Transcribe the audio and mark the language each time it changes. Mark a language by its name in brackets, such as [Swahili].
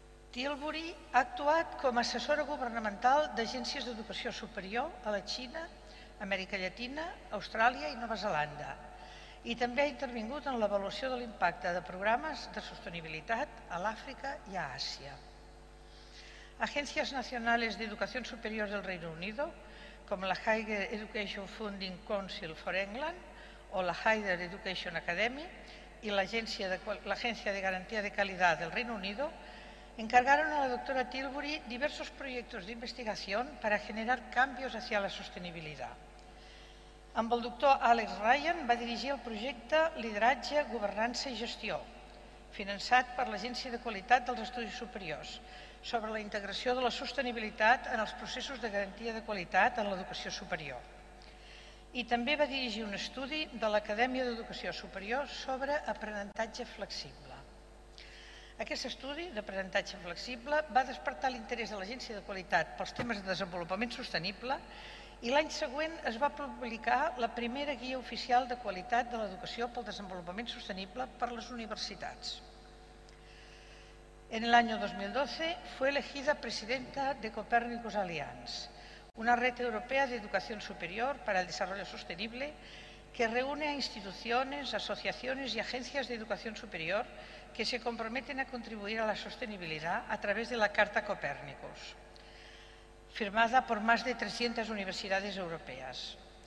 [Catalan] Tilbury ha actuat com a assessora governamental d'agències d'educació superior a la Xina, Amèrica Llatina, Austràlia i Nova Zelanda i també ha intervingut en l'avaluació de l'impacte de programes de sostenibilitat a l'Àfrica i a Àsia. Agències nacionals d'educació superior del Regne Unit, com la Higher Education Funding Council for England o la Higher Education Academy i l'Agència de Garantia de Qualitat del Regne Unit, [Spanish] encargaron a la doctora Tilbury diversos proyectos de investigación para generar cambios hacia la sostenibilidad. [Catalan] Amb el doctor Alex Ryan va dirigir el projecte Lideratge, Governança i Gestió, finançat per l'Agència de Qualitat dels Estudis Superiors, sobre la integració de la sostenibilitat en els processos de garantia de qualitat en l'educació superior. I també va dirigir un estudi de l'Acadèmia d'Educació Superior sobre aprenentatge flexible. Aquest estudi d'aprenentatge flexible va despertar l'interès de l'Agència de Qualitat pels temes de desenvolupament sostenible i l'any següent es va publicar la primera guia oficial de qualitat de l'educació pel desenvolupament sostenible per les universitats. [Spanish] En el año 2012 fue elegida presidenta de Copernicus Alliance, una red europea de educación superior para el desarrollo sostenible que reúne a instituciones, asociaciones y agencias de educación superior que se comprometen a contribuir a la sostenibilidad a través de la Carta Copernicus, firmada por más de 300 universidades europeas.